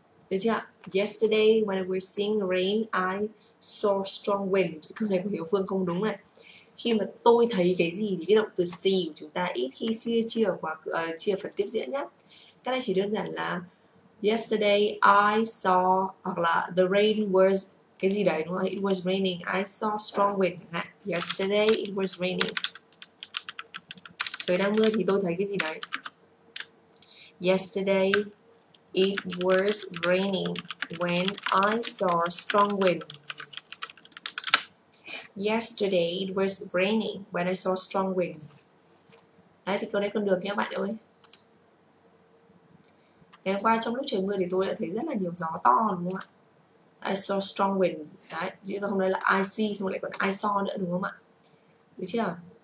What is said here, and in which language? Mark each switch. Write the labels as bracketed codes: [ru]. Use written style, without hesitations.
[vi] Được chưa? [en] Yesterday when we're seeing rain, I saw strong wind. [vi] Câu này của Hiếu Phương không đúng này. Khi mà tôi thấy cái gì thì cái động từ see của chúng ta ít khi chia phần tiếp diễn nhé. Cái này chỉ đơn giản là [en] yesterday I saw [vi] hoặc là [en] the rain was [vi] cái gì đấy đúng không? [en] It was raining. I saw strong wind. Yesterday it was raining. [vi] Trời đang mưa thì tôi thấy cái gì đấy. [en] Yesterday it was raining when I saw strong winds. Yesterday it was raining when I saw strong winds. [vi] Đấy thì câu đấy còn được nhé bạn ơi. Ngày hôm qua trong lúc trời mưa thì tôi đã thấy rất là nhiều gió to đúng không ạ? [en] I saw strong winds. [vi] Đấy, chứ mà hôm nay là [en] I see [vi] xong lại còn [en] I saw [vi] nữa đúng không ạ? Được chưa?